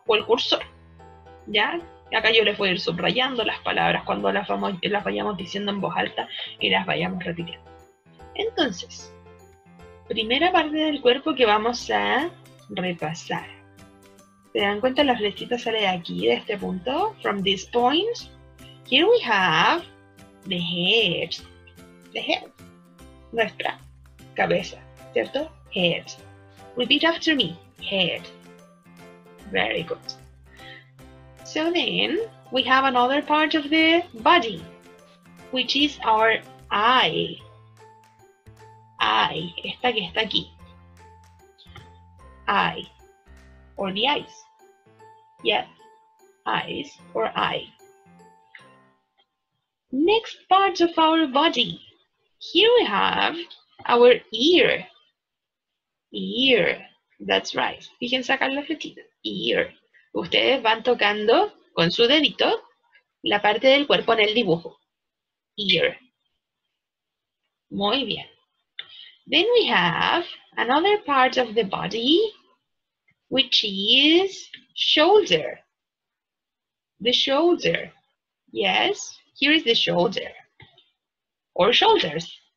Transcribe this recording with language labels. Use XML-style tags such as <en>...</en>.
<es>O el cursor, ¿ya? Acá yo les voy a ir subrayando las palabras cuando las vayamos diciendo en voz alta y las vayamos repitiendo. Entonces, primera parte del cuerpo que vamos a repasar. ¿Se dan cuenta? La flechita sale de aquí, de este punto.</es> <en>From this point, here we have the head. The head.</en> <es>Nuestra cabeza, ¿cierto?</es> <en>Head. Repeat after me. Head. Very good. So then, we have another part of the body, which is our eye. Eye,</en> <es>esta que está aquí.</es> <en>Eye, or the eyes. Yes, eyes or eye. Next part of our body. Here we have our ear. Ear, that's right.</en> <es>Fíjense acá en la flechita. Ear. Ustedes van tocando con su dedito la parte del cuerpo en el dibujo. Ear. Muy bien.</es> <en>Then we have another part of the body, which is shoulder. The shoulder. Yes, here is the shoulder. Or shoulders.</en>